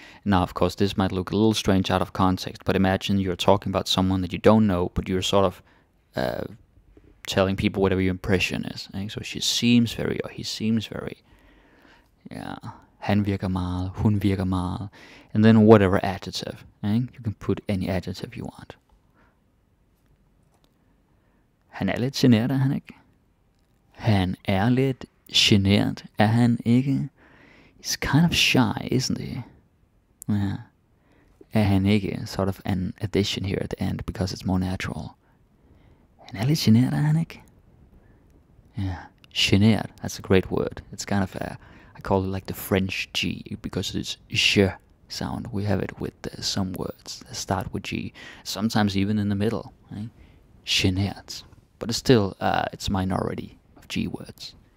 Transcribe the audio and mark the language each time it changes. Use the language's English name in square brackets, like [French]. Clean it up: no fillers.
[English] Now, of course, this might look a little strange out of context, but imagine you're talking about someone that you don't know, but you're sort of telling people whatever your impression is. Right? So she seems very, or he seems very... Yeah. [Danish] Han virker meget, hun virker meget. [English] And then whatever adjective. Right? You can put any adjective you want. [Danish] Han er lidt generet, han ikke? Han er lidt generet, han ikke? [English] He's kind of shy, isn't he? Yeah. [Danish] Er han ikke [English] sort of an addition here at the end, because it's more natural? [Danish] Han er lidt genert, er han ikke? [English] Yeah. Genert, that's a great word. It's kind of a, I call it like the French G, because it's je sound. We have it with some words that start with G, sometimes even in the middle. Right? Genert. But it's still, it's a minority of G words.